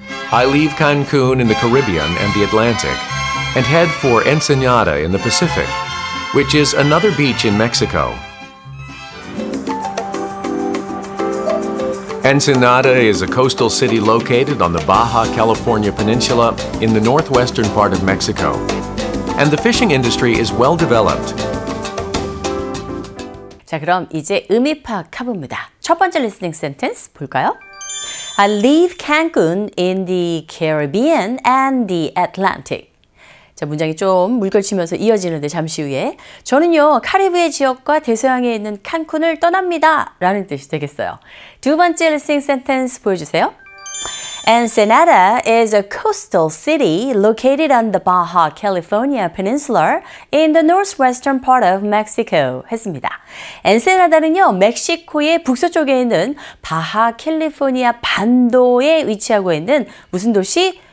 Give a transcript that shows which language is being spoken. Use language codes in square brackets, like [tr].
[en] I leave Cancun in the Caribbean and the Atlantic and head for Ensenada in the Pacific, which is another beach in Mexico. Ensenada is a coastal city located on the Baja California Peninsula in the northwestern part of Mexico. And the fishing industry is well developed. [ko] 자, 그럼 이제 의미 파악 해봅니다. 첫 번째 리스닝 센텐스 볼까요? [en] I leave Cancun in the Caribbean and the Atlantic. [ko] 자, 문장이 좀 물결치면서 이어지는데 잠시 후에 저는요, 카리브해 지역과 대서양에 있는 칸쿤을 떠납니다. 라는 뜻이 되겠어요. 두 번째 리스닝 센텐스 보여주세요. [en] Ensenada is a coastal city located on the Baja California Peninsula in the northwestern part of Mexico [ko] 했습니다. Ensenada는요, 멕시코의 북서쪽에 있는 바하 캘리포니아 반도에 위치하고 있는 무슨 도시?